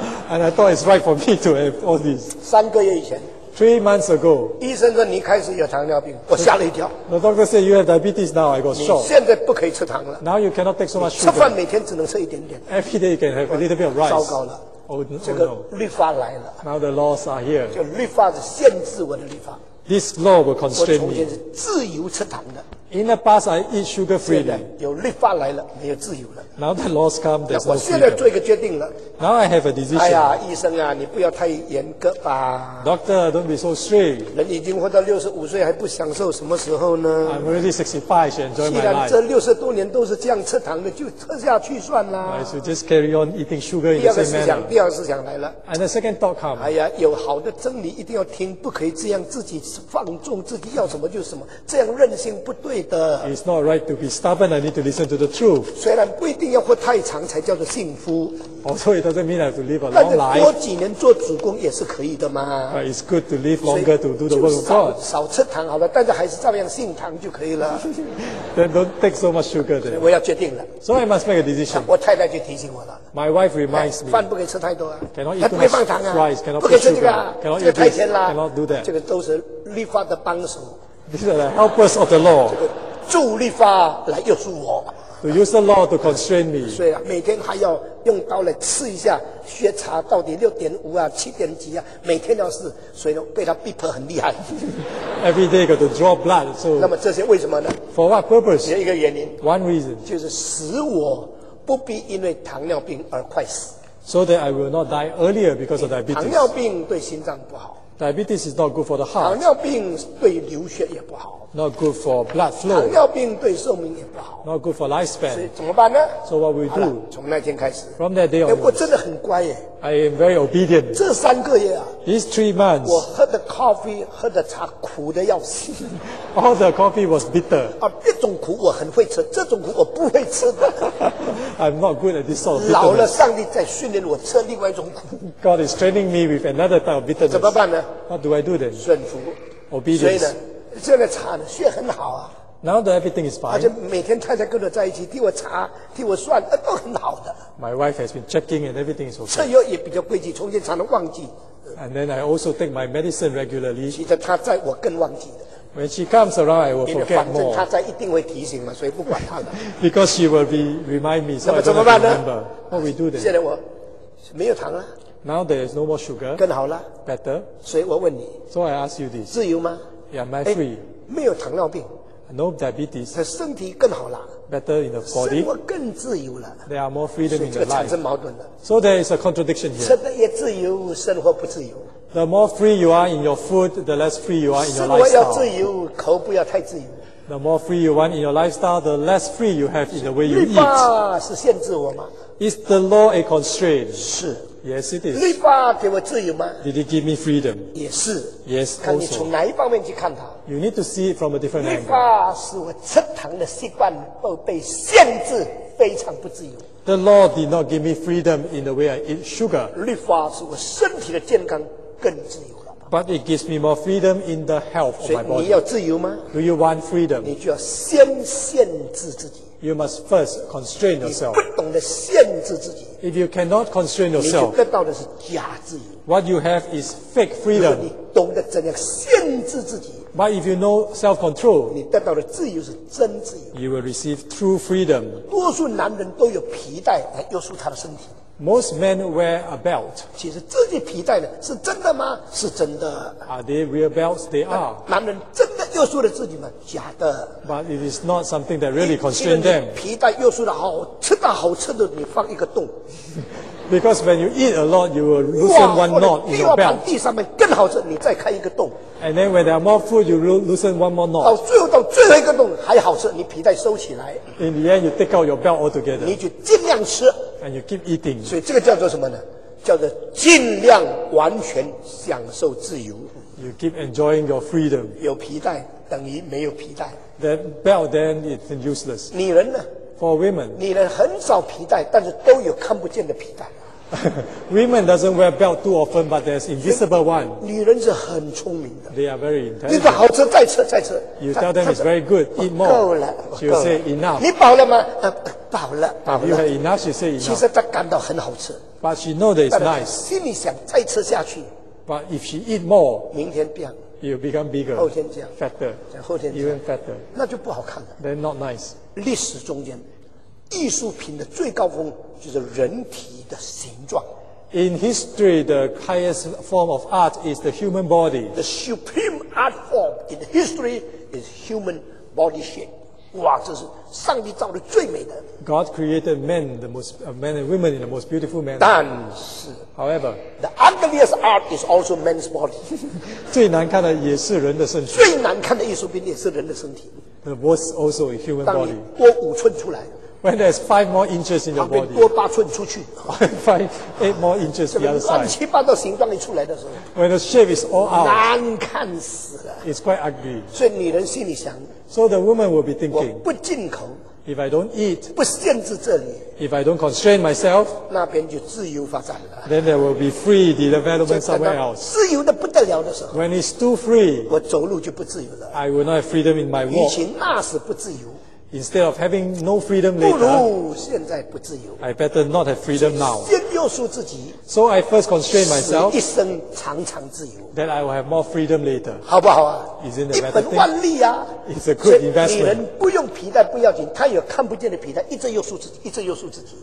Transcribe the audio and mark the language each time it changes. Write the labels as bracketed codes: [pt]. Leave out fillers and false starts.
[en] And I thought it's right for me to have all this. [zh] 三个月以前 [en] 3 months ago. [zh] 医生说你开始有糖尿病，我吓了一跳。 [en] The doctor said you have diabetes now. I got shocked. [zh] 你现在不可以吃糖了。 [en] Now you cannot take so much sugar. [zh] 吃饭每天只能吃一点点。 [en] Every day you can have a little bit of rice. [zh] 糟糕了。 [en] Oh, oh no. [zh] 这个律法来了。 [en] Now the laws are here. [zh] 就律法是限制我的律法。 [en] This law will constrain me. [zh] 我从前是自由吃糖的。 [en] In the past, I eat sugar freely. [zh] 现在有律法来了，没有自由了。 [en] Now the laws come, there's no freedom. [zh] 我现在做一个决定了。 [en] Now I have a decision. [zh] 哎呀，医生啊，你不要太严格吧。 [en] Doctor, don't be so strict. [zh] 人已经活到65岁，还不享受什么时候呢 [en] ？I'm already 65, should enjoy my life. [zh] 既然这60多年都是这样吃糖的，就吃下去算啦。 [en] I should just carry on eating sugar in the same manner. [zh] 第二个思想，第二个思想来了。 [en] And the second thought comes. [zh] 哎呀，有好的真理一定要听，不可以这样自己放纵，自己要什么就什么，这样任性不对。 [en] It's not right to be stubborn. I need to listen to the truth. [zh] 虽然不一定要活太长才叫做幸福。 [en] Also, it doesn't mean I have to live a long life. [zh] 但是多几年做主工也是可以的嘛。 [en] But it's good to live longer to do the work of God. [zh] 少吃糖好了，但是还是照样信糖就可以了。 [en] Then don't take so much sugar. [zh] 所以我要决定了。 [en] So I must make a decision. [zh] 我太太就提醒我了。 [en] My wife reminds me. [zh] 饭不可以吃太多啊。 [en] Cannot eat too much rice. Cannot put sugar. [zh] 不可以吃这个啊。这个太甜了。 [en] Cannot do that. [zh] 这个都是律法的帮手。 [en] These are the helpers of the law. [zh] 这个助力法来约束我。 [en] To use the law to constrain me. [zh] 所以啊，每天还要用刀来刺一下血茶到底6.5啊，7.几啊，每天要试，所以被他逼迫很厉害。 [en] Every day got to draw blood. So. [zh] 那么这些为什么呢 [en] ？For what purpose? [zh] 有一个原因。 [en] One reason. [zh] 就是使我不必因为糖尿病而快死。 [en] So that I will not die earlier because of diabetes. [zh] 糖尿病对心脏不好。 [en] Diabetes is not good for the heart. [zh] 糖尿病对流血也不好。 [en] Not good for blood flow. [zh] 糖尿病对寿命也不好。 [en] Not good for lifespan. [zh] 所以怎么办呢？ [en] So what we do? [zh] 从那天开始。 [en] From that day on. [zh] 我真的很乖耶。 [en] I am very obedient. [zh] 这三个月啊。 [en] These 3 months. [zh] 我喝的 coffee, 喝的茶苦得要死。 [en] All the coffee was bitter. [zh] 啊，这种苦我很会吃，这种苦我不会吃的。 [en] I'm not good at this sort of bitterness. [zh] 老了，上帝在训练我吃另外一种苦。 [en] God is training me with another type of bitterness. [zh] 怎么办呢？ [en] What do I do then? [zh] 顺服。 [en] Obedience. [zh] 所以呢，这个茶呢，血很好啊。 [en] Now that everything is fine. [zh] 而且每天太太跟我在一起，替我查，替我算，都很好的。 [en] My wife has been checking and everything is okay. [zh] 吃药也比较规矩，从前常常忘记。 [en] And then I also take my medicine regularly. [zh] 其实他在我更忘记的。 [en] When she comes around, I will forget more. [zh] 反正她在一定会提醒嘛，所以不管她了。 [en] Because she will be remind me, so I don't have to remember. What we do then? [zh] 现在我没有糖了。 [en] Now there is no more sugar. [zh] 更好了。 [en] Better. [zh] 所以我问你。 [en] So I ask you this. [zh] 自由吗？ [en] Yeah, am I free? [zh] 没有糖尿病。 [en] No diabetes. [zh] 她身体更好了。 [en] Better in the body. [zh] 生活更自由了。 [en] There are more freedom in the life. [zh] 这个产生矛盾了。 [en] So there is a contradiction here. [zh] 吃的也自由，生活不自由。 [en] The more free you are in your food, the less free you are in your lifestyle. [zh] 生活要自由，口不要太自由。 [en] The more free you are in your lifestyle, the less free you have in the way you eat. [zh] 律法是限制我吗？ [en] Is the law a constraint? [zh] 是。 [en] Yes, it is. [zh] 律法给我自由吗？ [en] Did it give me freedom? [zh] 也是。 [en] Yes, also. [zh] 看你从哪一方面去看它。 [en] You need to see it from a different angle. [zh] 律法使我吃糖的习惯都被限制，非常不自由。 [en] The law did not give me freedom in the way I eat sugar. [zh] 律法使我身体的健康更自由了。 [en] But it gives me more freedom in the health of my body. [zh] 所以你要自由吗？ [en] Do you want freedom? [zh] 你就要先限制自己。 [en] You must first constrain yourself. [zh] 你不懂得限制自己。 [en] If you cannot constrain yourself, [zh] 你就得到的是假自由。 [en] What you have is fake freedom. [zh] 如果你懂得怎样限制自己。 [en] But if you know self-control, [zh] 你得到的自由是真自由。 [en] You will receive true freedom. [zh] 多数男人都有皮带来约束他的身体。 [en] Most men wear a belt. [zh] 其实这些皮带呢，是真的吗？是真的。 [en] Are they real belts? They are. [zh] 男人真的约束了自己吗？假的。 [en] But it is not something that really constrains them. [zh] 皮带约束的好，吃到好吃的，你放一个洞。 [en] Because when you eat a lot, you will loosen one knot in your belt. [zh] 第二盘地上面更好吃，你再开一个洞。 [en] And then when there are more food, you loosen one more knot. [zh] 到最后一个洞还好吃，你皮带收起来。 [en] In the end, you take out your belt altogether. [zh] 你就尽量吃。 [en] And you keep eating. [zh] 所以这个叫做什么呢？叫做尽量完全享受自由。 [en] You keep enjoying your freedom. [zh] 有皮带等于没有皮带。 [en] That belt then it's useless. [zh] 女人呢？ [en] For women. [zh] 女人很少皮带，但是都有看不见的皮带。 [en] Women doesn't wear belt too often, but there's invisible one. [zh] 女人是很聪明的。 [en] They are very intelligent. [zh] 你好吃再吃再吃。 [en] You tell them it's very good. Eat more. [zh] 够了。 [en] She will say enough. [zh] 你饱了吗？饱了。饱了。 [en] You have enough. She say enough. [zh] 其实她感到很好吃。 [en] But she know that it's nice. [zh] 心里想再吃下去。 [en] But if she eat more, [zh] 明天变。 [en] You become bigger. [zh] 后天这样。 [en] Fatter. [zh] 后天这样。 [en] Even fatter. [zh] 那就不好看了。 [en] Then not nice. [zh] 历史中间，艺术品的最高峰就是人体。的形状。 [en] In history, the highest form of art is the human body. The supreme art form in history is human body shape. [zh] 哇，这是上帝造的最美的。 [en] God created men, the most, men and women in the most beautiful manner. [zh] 但是 [en] ，However, the ugliest art is also man's body. [zh] 最难看的也是人的身体。最难看的艺术品也是人的身体。 [en] The worst also a human body. [zh] 当你多五寸出来。 [en] When there's 5 more inches in your body, [zh] 旁边多八寸出去 [en] 5, 8 more inches the other side. [zh] 乱七八糟形状一出来的时候 [en] ，When the shape is all out, [zh] 难看死了 [en] ，It's quite ugly. [zh] 所以女人心里想 [en] ，So the woman will be thinking, [zh] 我不进口 [en] ，If I don't eat, [zh] 不限制这里 [en] ，If I don't constrain myself, [zh] 那边就自由发展了 [en] ，Then there will be free the development somewhere else. [zh] 自由的不得了的时候 [en] ，When it's too free, [zh] 我走路就不自由了 [en] ，I will not have freedom in my walk. [zh] 以前那是不自由。 [en] Instead of having no freedom later, [zh] 不如现在不自由。 [en] I better not have freedom now. [zh] 先约束自己。 [en] So I first constrain myself. [zh] 一生常常自由。 [en] Then I will have more freedom later. [zh] 好不好啊？ [en] Isn't it a better thing? [zh] 一本万利啊！ [en] It's a good investment. [zh] 女人不用皮带不要紧，她有看不见的皮带，一直约束自己，一直约束自己。